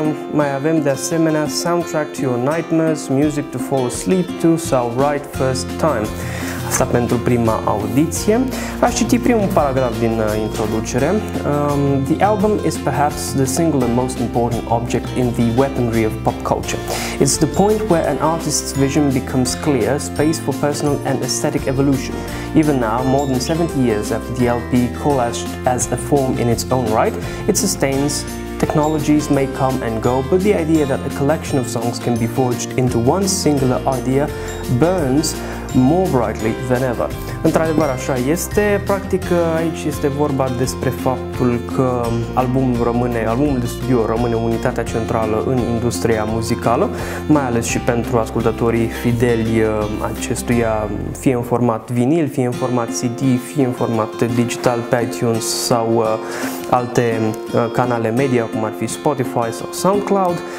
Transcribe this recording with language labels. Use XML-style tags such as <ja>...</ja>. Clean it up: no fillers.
<ro>Mai avem de asemenea Soundtrack to Your Nightmares, Music to Fall Asleep to sau Right First Time. Asta pentru prima audiție. Aș citi primul paragraf din introducere.</ro> <en>The album is perhaps the single and most important object in the weaponry of pop culture. It's the point where an artist's vision becomes clear, space for personal and aesthetic evolution. Even now, more than 70 years after the LP coalesced as a form in its own right, it sustains. Technologies may come and go, but the idea that a collection of songs can be forged into one singular idea burns more brightly than ever.</en> <ro>Într-adevăr, așa este. Practic, aici este vorba despre faptul că albumul de studio rămâne unitatea centrală în industria muzicală, mai ales și pentru ascultătorii fideli acestuia, fie în format vinil, fie în format CD, fie în format digital pe iTunes sau alte canale media, cum ar fi Spotify sau SoundCloud.</ro>